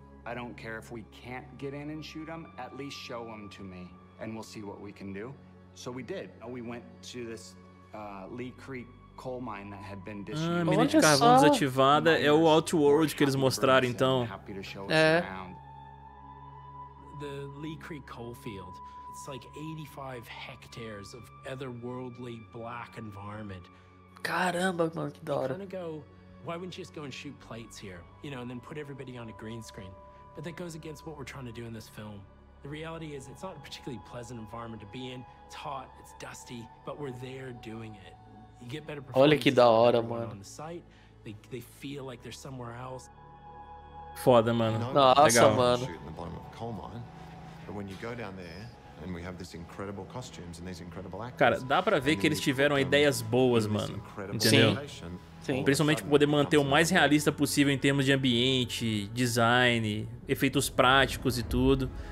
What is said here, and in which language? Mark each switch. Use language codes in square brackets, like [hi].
[en] I don't care if we can't get in and shoot them, at least show them to me and we'll see what we can do. So we did. We went to this Lee Creek coal mine that had been disused. [pt] Ah, mina de carvão desativada é o Outworld que eles mostraram então. É. [en] The Lee Creek coal field. It's like 85 hectares of otherworldly black environment. [pt] Caramba, mano, que da hora. [en] Why wouldn't you just go and shoot plates here? You know, and then put everybody on a green screen. But that goes against what we're trying to do in this film. The reality is it's not a particularly pleasant environment to be in. It's hot, it's dusty, but we're there doing it. You get better performance. [pt] Olha que da hora, mano. [en] On the site, they feel like they're somewhere else. [pt] Foda, mano. Nossa, legal, mano. [en] Shoot in the bottom of a coal mine. But when you go down there and we have these incredible costumes and these incredible actors. [pt] Cara, dá pra ver que eles tiveram ideias boas, mano. Entendeu? Sim. Sim. Principalmente poder manter o mais realista possível em termos de ambiente, design, efeitos práticos e tudo.